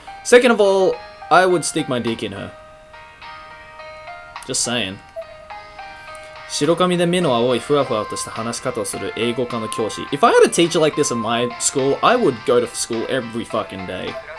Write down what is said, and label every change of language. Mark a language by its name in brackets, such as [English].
[English] Second of all, I would stick my dick in her. Just saying. [Japanese] 白髪で目の青いふわふわとした話し方をする英語科の教師。 [English] If I had a teacher like this in my school, I would go to school every fucking day.